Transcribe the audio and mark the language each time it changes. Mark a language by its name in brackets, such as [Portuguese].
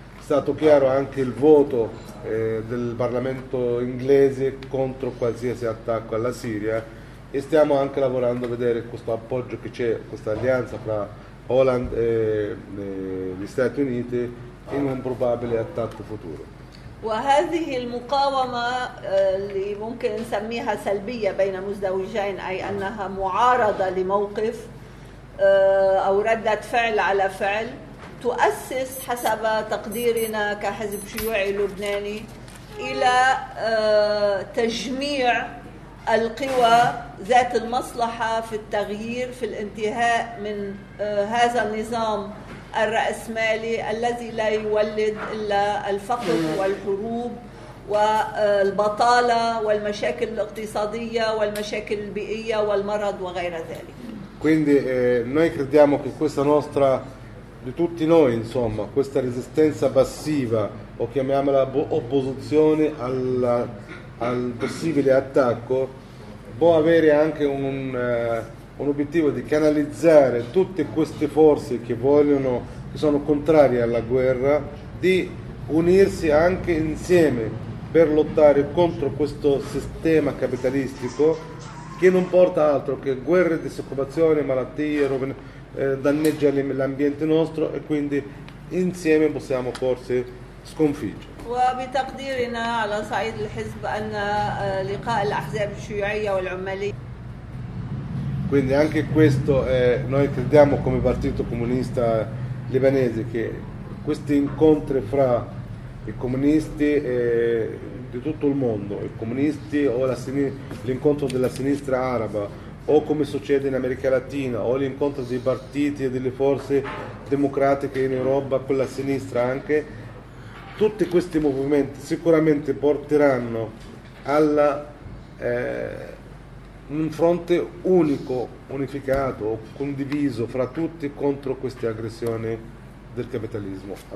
[Italian] È stato chiaro anche il voto del Parlamento inglese contro qualsiasi attacco alla Siria e stiamo anche lavorando a vedere questo appoggio che c'è, questa alleanza fra Holland e gli Stati Uniti in un probabile attacco futuro. [Arabic] وهذه المقاومة اللي ممكن نسميها سلبية بين مزدوجين أي أنها معارضة لموقف أو ردة فعل على فعل تؤسس حسب تقديرنا كحزب شيوعي لبناني إلى تجميع القوى ذات المصلحة في التغيير في الانتهاء من هذا النظام الرأسمالي الذي لا يولد إلا الفقر والحروب والبطالة والمشاكل الاقتصادية والمشاكل البيئية والمرض وغير ذلك. [Italian] Quindi noi crediamo che questa nostra, di tutti noi insomma, questa resistenza passiva o chiamiamola opposizione al possibile attacco può avere anche un obiettivo di canalizzare tutte queste forze che vogliono, che sono contrarie alla guerra, di unirsi anche insieme per lottare contro questo sistema capitalistico che non porta altro che guerre, disoccupazione, malattie, danneggia l'ambiente nostro e quindi insieme possiamo forse sconfiggere. [Arabic] وبتقديرنا على صعيد الحزب أن لقاء الأحزاب الشيوعية والعمالية. [Italian] Quindi anche questo noi crediamo come Partito Comunista Libanese che questi incontri fra i comunisti di tutto il mondo, i comunisti o l'incontro della sinistra araba o come succede in America Latina o l'incontro dei partiti e delle forze democratiche in Europa con la sinistra anche, tutti questi movimenti sicuramente porteranno alla un fronte unico, unificato, condiviso fra tutti contro queste aggressioni del capitalismo.